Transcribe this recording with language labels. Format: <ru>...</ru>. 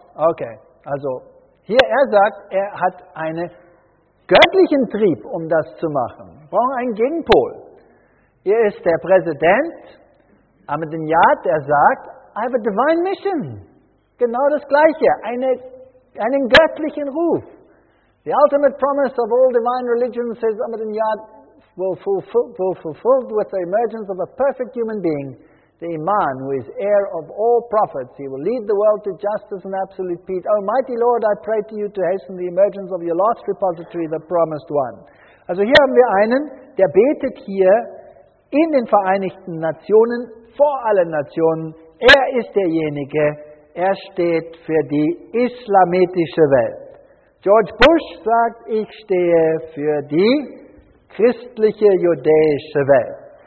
<de>Okay, also hier er sagt, er hat einen göttlichen Trieb, um das zu machen. Wir brauchen einen Gegenpol. Hier ist der Präsident Ahmadinejad, der sagt,</de> <en>I have a divine mission.</en> <de>Genau das Gleiche, einen göttlichen Ruf.</de> <en>The ultimate promise of all divine religions, says Ahmadinejad, will fulfilled with the emergence of a perfect human being, the Iman, who is heir of all prophets. He will lead the world to justice and absolute peace. Almighty Lord, I pray to you to hasten the emergence of your last repository, the promised one.</en> <de>Also hier haben wir einen, der betet hier in den Vereinigten Nationen, vor allen Nationen. Er ist derjenige, er steht für die islamitische Welt. George Bush sagt, ich stehe für die christliche judäische Welt.</de>